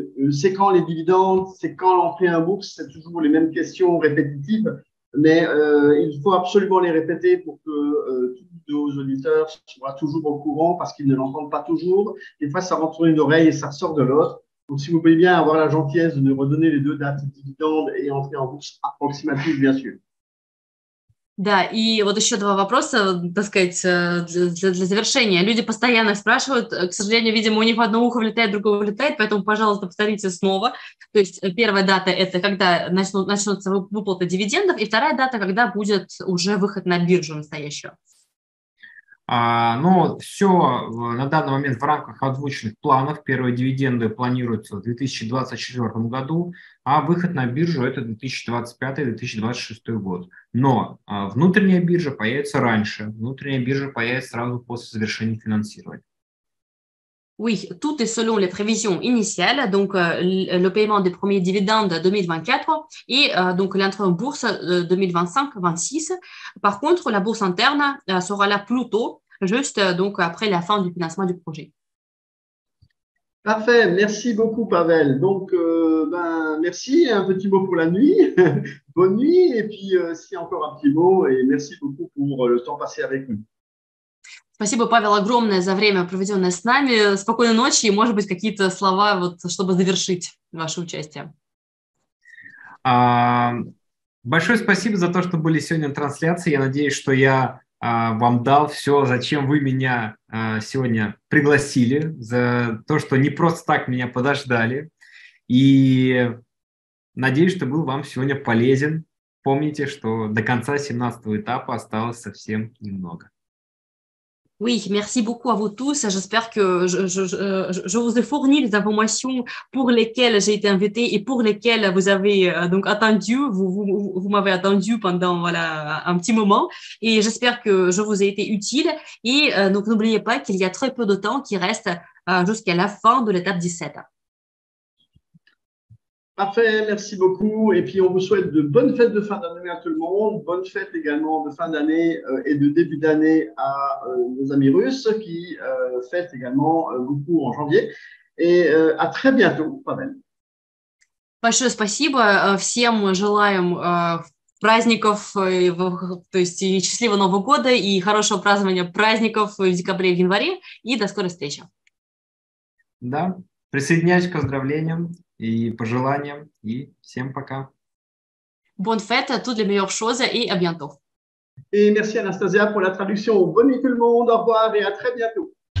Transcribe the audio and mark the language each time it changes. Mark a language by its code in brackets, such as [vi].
[fr] C'est quand les dividendes, c'est quand l'entrée en bourse, c'est toujours les mêmes questions répétitives, mais il faut absolument les répéter pour que tous nos auditeurs soient toujours au courant parce qu'ils ne l'entendent pas toujours. Des fois, ça rentre dans une oreille et ça sort de l'autre. Donc, si vous pouvez bien avoir la gentillesse de nous redonner les deux dates, dividendes et entrée en bourse approximative, bien sûr. [ru] Да, и вот еще два вопроса, так сказать, для завершения. Люди постоянно спрашивают, к сожалению, видимо, у них одно ухо влетает, другое влетает, поэтому, пожалуйста, повторите снова. То есть первая дата – это когда начнутся выплаты дивидендов, и вторая дата – когда будет уже выход на биржу настоящую. Ну, все на данный момент в рамках озвученных планов. Первые дивиденды планируются в 2024 году, а выход на биржу – это 2025-2026 год. Но внутренняя биржа появится раньше, внутренняя биржа появится сразу после завершения финансирования. [fr] Oui, tout est selon les prévisions initiales, donc le paiement des premiers dividendes 2024 et donc l'entrée en bourse 2025-26. Par contre, la bourse interne sera là plus tôt, juste donc après la fin du financement du projet. Parfait, merci beaucoup Pavel. Donc, merci, un petit mot pour la nuit, bonne nuit, et puis si encore un petit mot, et merci beaucoup pour le temps passé avec nous. [ru] Спасибо, Павел, огромное за время, проведенное с нами. Спокойной ночи, и, может быть, какие-то слова, вот, чтобы завершить ваше участие. Большое спасибо за то, что были сегодня на трансляции. Я надеюсь, что я вам дал все, зачем вы меня сегодня пригласили, за то, что не просто так меня подождали. И надеюсь, что был вам сегодня полезен. Помните, что до конца 17-го этапа осталось совсем немного. [fr] Oui, merci beaucoup à vous tous. J'espère que je vous ai fourni les informations pour lesquelles j'ai été invitée et pour lesquelles vous avez donc attendu. Vous m'avez attendu pendant voilà un petit moment et j'espère que je vous ai été utile. Et donc n'oubliez pas qu'il y a très peu de temps qui reste jusqu'à la fin de l'étape 17. Parfait, merci beaucoup. Et puis, on vous souhaite de bonnes fêtes de fin d'année à tout le monde. Bonnes fêtes également de fin d'année et de début d'année à nos amis russes qui fêtent également beaucoup en janvier. Et à très bientôt, Pavel. [ru] Большое спасибо. Всем желаем праздников, то есть и счастливого Нового года и хорошего празднования праздников в декабре и в январе. И до скорой встречи. Да, присоединяюсь к поздравлениям и пожеланиям, и всем пока. [fr] Bonne fête à toutes les meilleures choses et à bientôt. Et merci Anastasia pour la traduction. Bonne nuit tout le monde, au revoir et à très bientôt.